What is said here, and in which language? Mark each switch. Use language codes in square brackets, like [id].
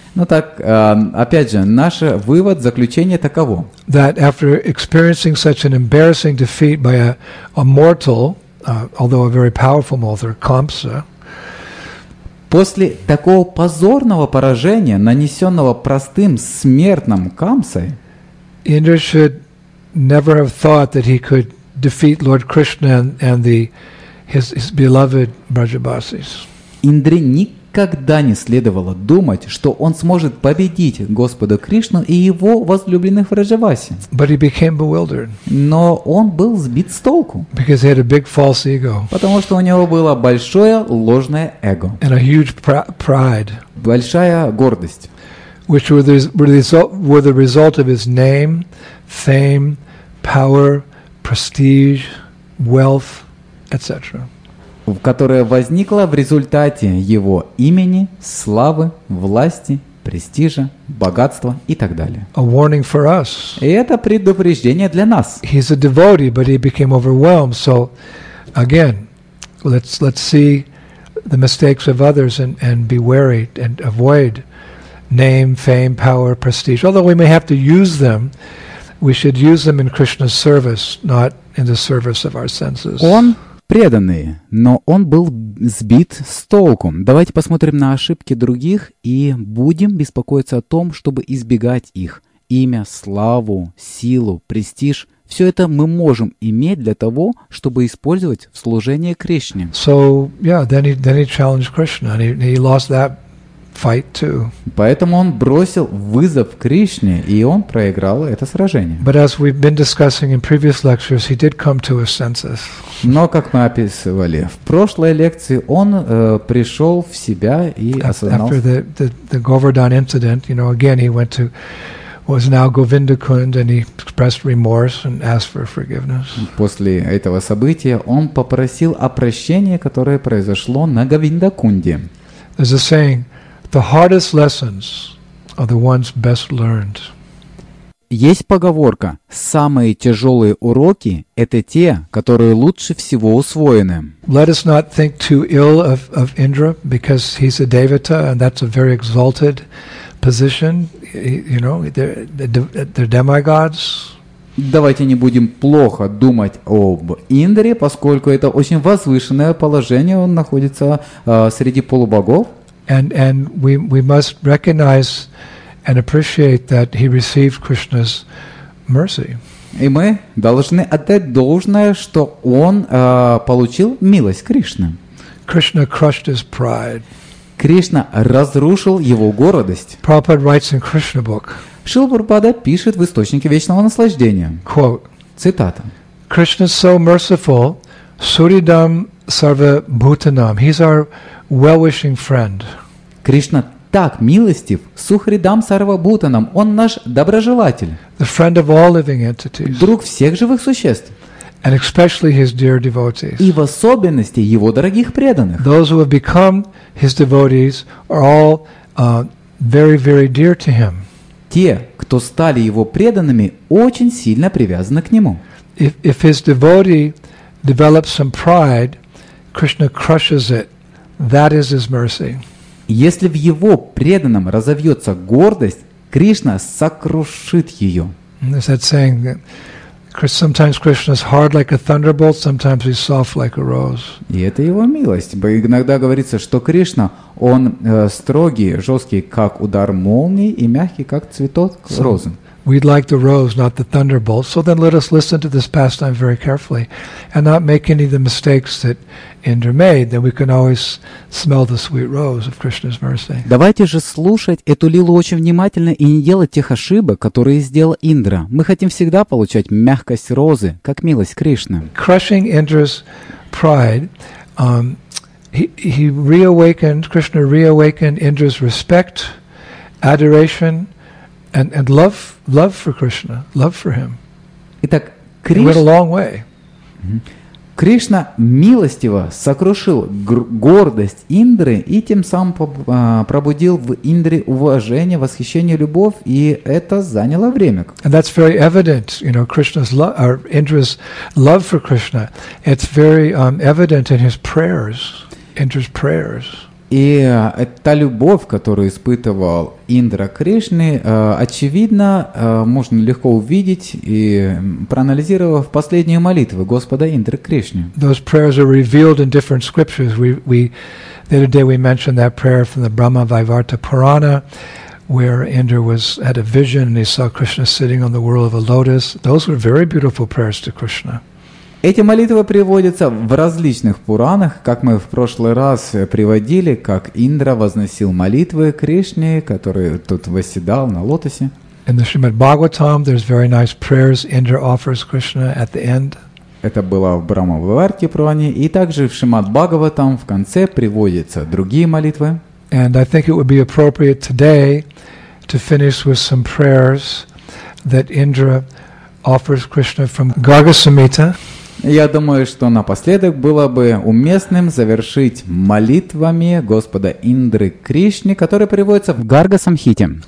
[ru] Ну так, опять же, наш вывод, заключение таково. [en] That after experiencing such an embarrassing defeat by a mortal, although a very powerful mortal, Kamsa. [ru] После такого позорного поражения, нанесенного простым смертным Камсой, [en] Indra should never have thought that he could defeat Lord Krishna and the his beloved Brajabasis. [ru] Индре никогда не следовало думать, что он сможет победить Господа Кришну и его возлюбленных Враджаваси. [en] But he became bewildered. [ru] Но он был сбит с толку. [en] Because he had a big false ego. [ru] Потому что у него было большое ложное эго. [en] And a huge pride. [ru] Большая гордость. [en] Which were the result of his name, fame, power, prestige, wealth, etc. [ru] Которая возникла в результате его имени, славы, власти, престижа, богатства и так далее. [en] A warning for us. [ru] И это предупреждение для нас. [en] He's a devotee, but he became overwhelmed. So, again, let's see the mistakes of others and be wary and avoid name, fame, power, prestige. Although we may have to use them, we should use them in Krishna's service, not in the service of our senses. [ru] Он преданный, но он был сбит с толку. Давайте посмотрим на ошибки других и будем беспокоиться о том, чтобы избегать их. Имя, славу, силу, престиж – все это мы можем иметь для того, чтобы использовать в служении Кришне. [en] So, yeah, then he challenged Krishna, and he lost that fight too. [ru] Поэтому он бросил вызов Кришне, и он проиграл это сражение. [en] But as we've been discussing in previous lectures, he did come to his senses. [ru] Но, как мы описывали, в прошлой лекции он пришел в себя и осознал. [en] After the Govardhan incident, you know, again he went to was now Govindakund, and he expressed remorse and asked for forgiveness. [ru] После этого события он попросил о прощении, которое произошло на Говиндакунде. [en] There's a saying, the hardest lessons are the ones best learned. [ru] Есть поговорка: самые тяжелые уроки – это те, которые лучше всего усвоены. [en] Let us not think too ill of Indra, because he's a devata, and that's a very exalted position. You know, they're demigods. [ru] Давайте не будем плохо думать об Индре, поскольку это очень возвышенное положение. Он находится среди полубогов. [en] And we must recognize and appreciate that he received Krishna's mercy. [ru] И мы должны отдать должное, что он получил милость Кришны. [en] Krishna crushed his pride. [ru] Кришна разрушил его гордость. [en] Prabhupada writes in Krishna book. [ru] Шрила Прабхупада пишет в источнике вечного наслаждения. [en] Quote, [ru] цитата. [en] Krishna is so merciful, [sa] suridam sarva bhutanam. [en] He's our well-wishing friend. [ru] Кришна так милостив, [sa] сухридам сарва бхутанам. [ru] Он наш доброжелатель. [en] The friend of all living entities. [ru] Друг всех живых существ. [en] And especially his dear devotees. [ru] И в особенности его дорогих преданных. [en] Those who have become his devotees are all very, very dear to him. [ru] Те, кто стали его преданными, очень сильно привязаны к нему. [en] If his devotee develops some pride, Krishna crushes it. That is his mercy. [ru] Если в его преданном разовьется гордость, Кришна сокрушит ее. [en] Is that saying that? Sometimes Krishna is hard like a thunderbolt, sometimes he's soft like a rose. [ru] И это его милость. Иногда говорится, что Кришна, он строгий, жесткий, как удар молнии, и мягкий, как цветок с розой. [en] We'd like the rose, not the thunderbolt. So then let us listen to this pastime very carefully and not make any of the mistakes that Indra made. Then we can always smell the sweet rose of Krishna's mercy. [ru] Давайте же слушать эту лилу очень внимательно и не делать тех ошибок, которые сделал Индра. Мы хотим всегда получать мягкость розы, как милость Кришны. [en] Crushing Indra's pride, Krishna reawakened Indra's respect, adoration, and love for Krishna, love for him. [ru] Итак, [en] it went a long way. [ru] Кришна милостиво сокрушил гордость Индры и тем самым пробудил в Индре уважение, восхищение, любовь, и это заняло время. [en] And that's very evident, you know, Krishna's love, Indra's love for Krishna. It's very evident in his prayers, Indra's prayers. [ru] И та любовь, которую испытывал Индра Кришны, очевидно, можно легко увидеть и проанализировав последние молитвы Господа Индры Кришны. [en] Those prayers are revealed in different scriptures. We the other day we mentioned that prayer from the Brahma Vaivarta Purana, where Indra had a vision and he saw Krishna sitting on the whirl of a lotus. Those were very beautiful prayers to Krishna. [ru] Эти молитвы приводятся в различных пуранах, как мы в прошлый раз приводили, как Индра возносил молитвы Кришне, который тут восседал на лотосе. [en] In the Shrimad Bhagavatam, there's very nice prayers Indra offers Krishna at the end. [ru] Это было в Брахмаварте Пуране, и также в Шримад Бхагаватам в конце приводятся другие молитвы. [en] And I think it would be appropriate today to finish with some prayers that Indra offers Krishna from Garga-samhita. [ru] Я думаю, что напоследок было бы уместным завершить молитвами Господа Индры Кришне, которые приводятся в Гарга-самхите.